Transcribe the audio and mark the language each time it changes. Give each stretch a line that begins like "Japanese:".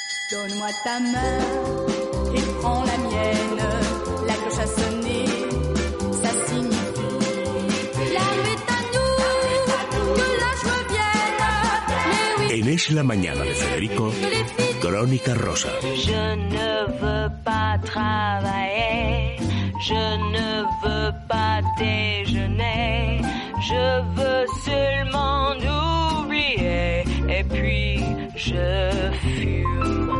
French: Donne-moi ta main et prends la mienne. La cloche a sonné, ça signifie l'arme est à nous, que la joie vienne.
Spanish: En Es la mañana de Federico, Crónica Rosa.
French: Je ne veux pas travailler, je ne veux pas déjeuner, je veux seulement oublier et puis je fume.